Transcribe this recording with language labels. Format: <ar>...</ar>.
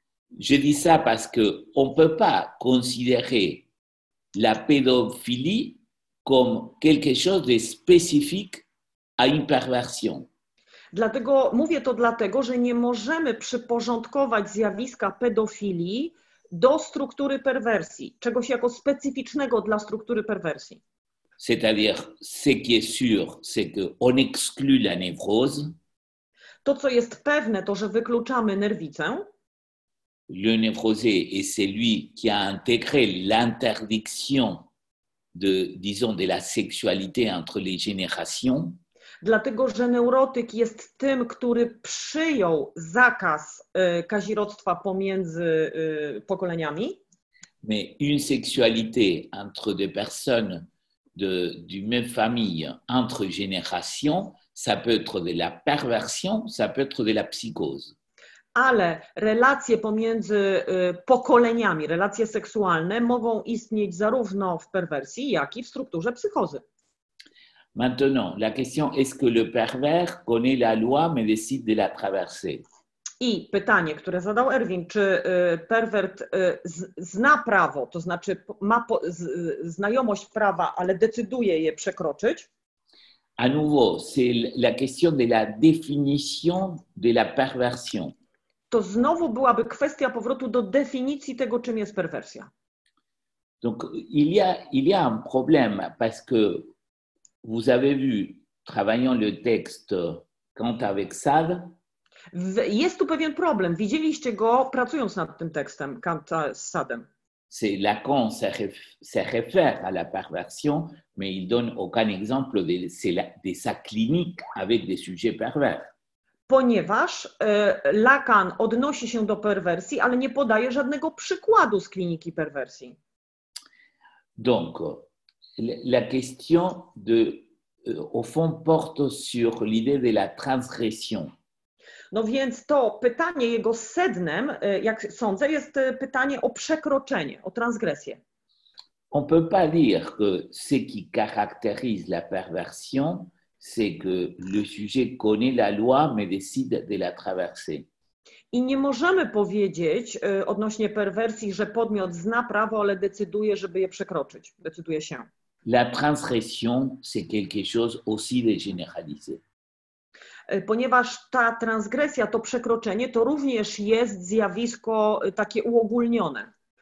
<fr>Je dis ça parce que on peut pas considérer la pédophilie comme quelque chose de spécifique à une perversion.</fr> <pl>Dlatego mówię to dlatego, że nie możemy przyporządkować zjawiska pedofilii do struktury perwersji, czegoś jako specyficznego dla struktury perwersji.</pl> <fr>C'est-à-dire, ce qui est sûr, c'est que on exclut la névrose.</fr> <pl>To, co jest pewne, to, że wykluczamy nerwicę.</pl> <fr>Le névrosé est celui qui a intégré l'interdiction de, disons, de la sexualité entre les générations.</fr> <pl>Dlatego, że neurotyk jest tym, który przyjął zakaz kazirodztwa pomiędzy pokoleniami.</pl> <fr>Mais une sexualité entre des personnes du même famille, entre générations, ça peut être de la perversion, ça peut être de la psychose.</fr> <pl>Ale relacje pomiędzy pokoleniami, relacje seksualne mogą istnieć zarówno w perwersji, jak i w strukturze psychozy.</pl> <fr>Maintenant, la question est-ce que le pervers connaît la loi mais décide de la traverser?</fr> <pl>I pytanie, które zadał Erwin, czy pervert zna prawo, to znaczy ma znajomość prawa, ale decyduje je przekroczyć?</pl> <fr>À nouveau, c'est la question de la définition de la perversion.</fr> <pl>To znowu byłaby kwestia powrotu do definicji tego, czym jest perwersja.</pl> <fr>Donc, il y a un problème parce que vous avez vu, travaillant le texte Kant avec Sade.</fr> <pl>Jest tu pewien problem. Widzieliście go pracując nad tym tekstem Kanta z Sadem.</pl> <fr>C'est Lacan se réfère à la perversion, mais il donne aucun exemple de sa clinique avec des sujets pervers.</fr> <pl>Ponieważ Lacan odnosi się do perwersji, ale nie podaje żadnego przykładu z kliniki perwersji.</pl> <fr>Donc, la question de au fond porte sur l'idée de la transgression.</fr> <pl>No więc to pytanie jego sednem, jak sądzę, jest pytanie o przekroczenie, o transgresję.</pl> <fr>On peut pas dire que ce qui caractérise la perversion, c'est que le sujet connaît la loi mais décide de la traverser.</fr> <pl>I nie możemy powiedzieć odnośnie perwersji, że podmiot zna prawo, ale decyduje, żeby je przekroczyć, decyduje się.</pl> <fr>La transgression, c'est quelque chose aussi de généralisé.</fr> <pl>Ponieważ ta transgresja, to przekroczenie, to również jest zjawisko takie uogólnione.</pl>